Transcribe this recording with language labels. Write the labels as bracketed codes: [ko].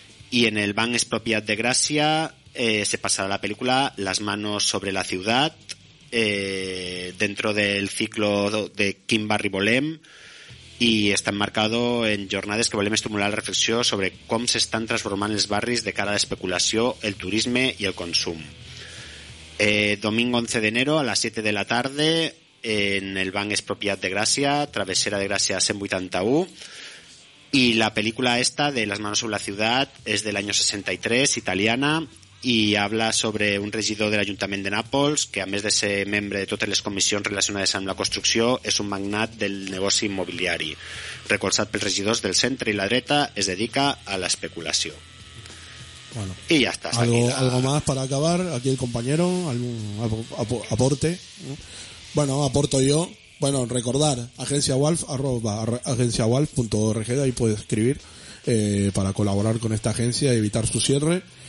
[es] Y en el Ban Expropiat de Gràcia se pasará la película Las manos sobre la ciudad, dentro del ciclo de Quin barri volem, y está enmarcado en jornades que volem estimular la reflexión sobre cómo se están transformando los barris de cara a la especulación, el turismo y el consumo. Domingo 11 de enero a las 7 de la tarde, en el Ban Expropiat de Gràcia, Travessera de Gràcia 181, y la película esta de Las manos sobre la ciudad es del año 63, italiana, y habla sobre un regidor del Ayuntamiento de Nápoles que, [ca] a més de ser membre de totes les comissions relacionades amb la construcció, és un magnat del negoci immobiliari. Recolzat pels regidors del centre i la dreta, es dedica a la especulació. [es] Bueno, y ya está. Algo más para acabar, aquí el compañero, algún aporte, ¿no? Bueno, aporto yo. Bueno, recordar, agenciawalf.org, ahí puedes escribir para colaborar con esta agencia y evitar su cierre.